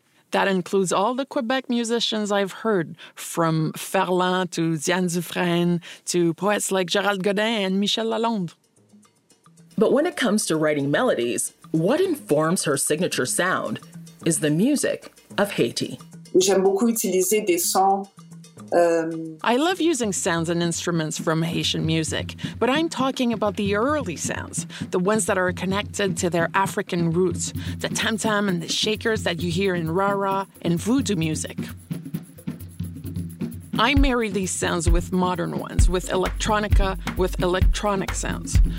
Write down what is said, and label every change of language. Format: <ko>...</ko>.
<en>That includes all the Quebec musicians I've heard, from Ferland to Diane Dufresne to poets like Gérald Godin and Michel Lalonde. But when it comes to writing melodies, what informs her signature sound is the music of Haiti.</en> <fr>J'aime beaucoup utiliser des sons.</fr> <en>I love using sounds and instruments from Haitian music, but I'm talking about the early sounds, the ones that are connected to their African roots, the tam-tam and the shakers that you hear in ra-ra and voodoo music. I marry these sounds with modern ones, with electronica, with electronic sounds.</en>